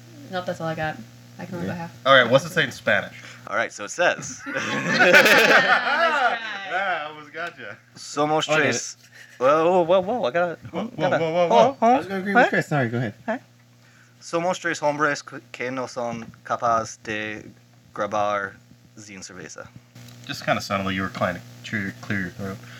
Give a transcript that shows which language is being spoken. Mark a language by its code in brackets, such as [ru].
[en] Nope, that's all I got. I can only go half. All right, what's it say in Spanish? All right, so it says. I almost gotcha. [es] Somos tres. [en] Whoa. I got it. Whoa. I was going to agree with Chris. Sorry, go ahead. [es] Somos tres hombres que no son capaces de grabar sin cerveza. [en] Just kind of sounded like you were trying to clear your throat.